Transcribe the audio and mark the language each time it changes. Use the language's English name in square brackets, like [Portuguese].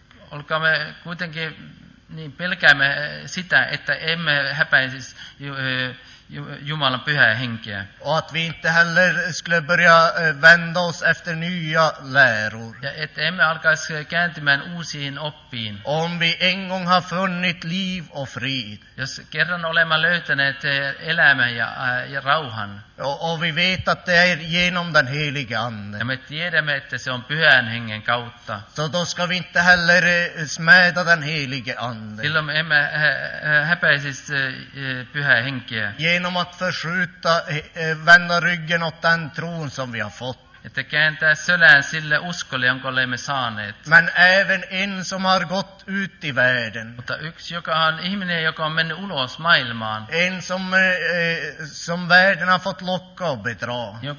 [Finnish] Olkaamme kuitenkin niin pelkäämme sitä, että emme häpäisi Jumalan pyhää henkeä. [Swedish] Och att vi inte heller skulle börja vända oss efter nya läror. [Finnish] Ja että emme alkaisi kääntymään uusiin oppiin. [Swedish] Om vi en gång har funnit liv och frid. [Finnish] Jos kerran olemme löytäneet elämän ja rauhan. [Swedish] Och vi vet att det är genom den helige ande. [Finnish] Ja me tiedämme, että se on pyhän hengen kautta. [Swedish] Så då ska vi inte heller smäda den helige ande. [Finnish] Silloin emme häpäisi pyhää henkeä. [Swedish] Genom att förskjuta, vända ryggen åt den tron som vi har fått. [Finnish] Että kääntää sölään sille uskolle, jonka olemme saaneet. [Swedish] Men även en som har gått ut i världen. [Finnish] Mutta yksi, joka on ihminen, joka on mennyt ulos maailmaan. [Swedish] En som världen har fått locka och bedra.